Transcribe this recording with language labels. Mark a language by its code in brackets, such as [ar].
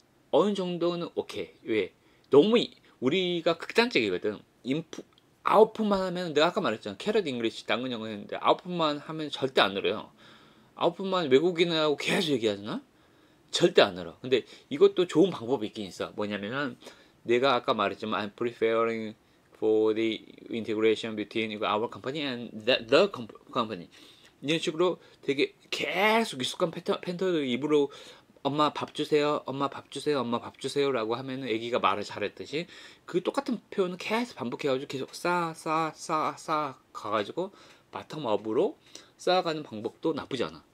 [ko] 어느 정도는 오케이. 왜? 너무 우리가 극단적이거든. 인풋 아웃풋만 하면 내가 아까 말했잖아. 캐럿 잉글리시 당근 영어 했는데 아웃풋만 하면 절대 안 늘어요. 아웃풋만 외국인하고 계속 얘기하잖아. 절대 안 늘어. 근데 이것도 좋은 방법이 있긴 있어. 뭐냐면 내가 아까 말했지만 [en] I'm preferring for the integration between our company and the company. [ko] 이런 식으로 되게 계속 익숙한 패턴을 입으로 엄마 밥 주세요. 엄마 밥 주세요. 엄마 밥 주세요. 라고 하면은 아기가 말을 잘했듯이 그 똑같은 표현을 계속 반복해가지고 계속 쌓아 가가지고 바텀업으로 쌓아가는 방법도 나쁘지 않아.